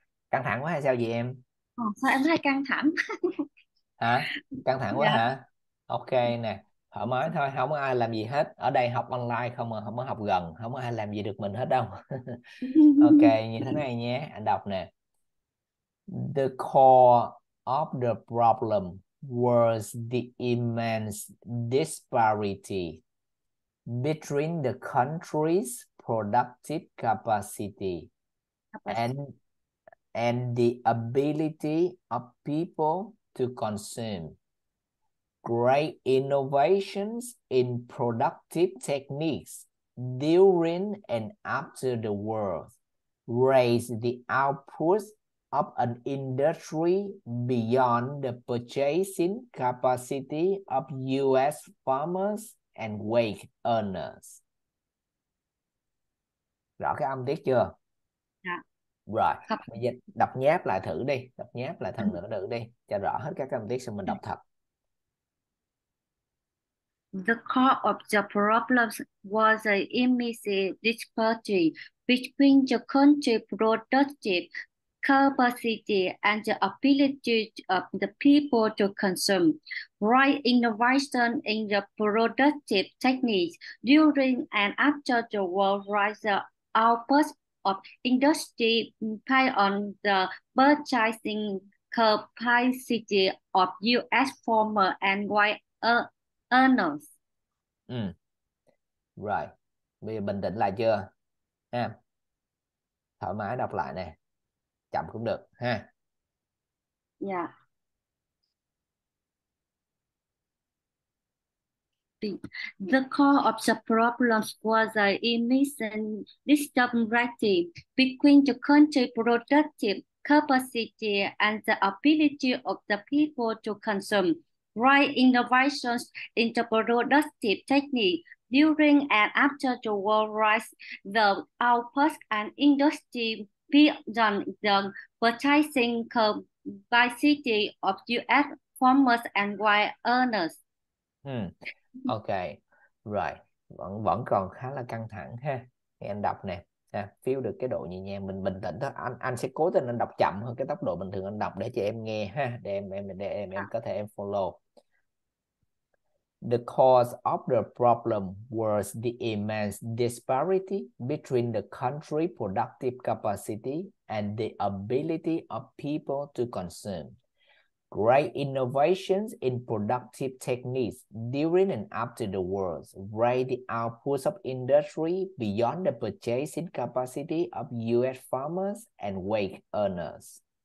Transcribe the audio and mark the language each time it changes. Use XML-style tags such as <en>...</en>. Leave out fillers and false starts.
<vi>Căng thẳng quá hay sao vậy em? Sao em thấy căng thẳng? Hả? Căng thẳng quá hả? Ok nè, thoải mái thôi, không có ai làm gì hết. Ở đây học online không mà không có học gần, không có ai làm gì được mình hết đâu. Ok, như thế này nhé, anh đọc nè.</vi> <en>The core of the problem was the immense disparity between the country's productive capacity and the ability of people to consume great innovations in productive techniques during and after the war raised the output of an industry beyond the purchasing capacity of US farmers and wage earners.</en> <vi>Rõ cái âm tiết chưa? Rồi, bây giờ đọc nháp lại thử đi, đọc nháp lại thần nữa được đi, cho rõ hết các âm tiết xong mình đọc thật.</vi> <en>Core of the problem was the immense disparity between the country productive capacity and the ability of the people to consume right innovation in the productive techniques during and after the war rise output of industry pay on the purchasing capacity of US former and white earners.</en> <vi>Ừ. Rồi, bây giờ bình tĩnh lại chưa? Em. Thoải mái đọc lại nè. Chậm cũng được ha.</vi> <en>The core of the problem was the immense disparity between the country productive capacity and the ability of the people to consume right innovations in the productive technique during and after the war rise the output and industry beyond the purchasing capacity of US farmers and white earners.</en> <vi>Ok, rồi vẫn vẫn còn khá là căng thẳng ha. Nghe anh đọc nè, feel được cái độ nhẹ nhàng, mình bình tĩnh thôi. Anh sẽ cố tình anh đọc chậm hơn cái tốc độ bình thường anh đọc để cho em nghe ha, để em có thể em follow.</vi> <en>The cause of the problem was the immense disparity between the country productive capacity and the ability of people to consume Great innovations in productive techniques during and after the wars raised the outputs of industry beyond the purchasing capacity of US farmers and wage earners.</en>